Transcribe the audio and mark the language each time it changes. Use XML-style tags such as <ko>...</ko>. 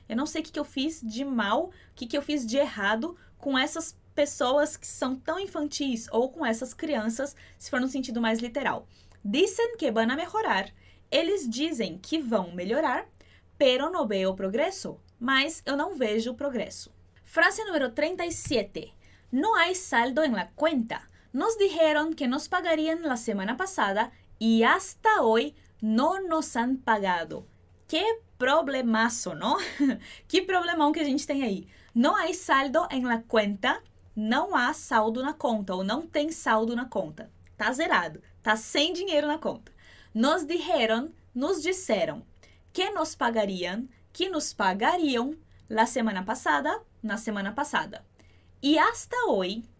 <pt>Eu não sei o que eu fiz de mal, o que eu fiz de errado com essas pessoas que são tão infantis ou com essas crianças, se for no sentido mais literal.</pt> <es>Dicen que van a mejorar.</es> <pt>Eles dizem que vão melhorar,</pt> <es>pero no veo progreso.</es> <pt>Mas eu não vejo o progresso. Frase número 37.</pt> <es>No hay saldo en la cuenta. Nos dijeron que nos pagarían la semana pasada y hasta hoy no nos han pagado. ¡Qué problemazo, no? ¡Qué problemón</es> <pt>que a gente tem aí!</pt> <es>No hay saldo en la cuenta.</es> <pt>Não há saldo na conta ou não tem saldo na conta. Tá zerado. Tá sem dinheiro na conta.</pt> <es>Nos dijeron,</es> <pt>nos disseram,</pt> <es>que nos pagarían,</es> <pt>que nos pagariam</pt> <es>la semana pasada,</es> <pt>na semana passada.</pt> <es>Y hasta hoy...</es>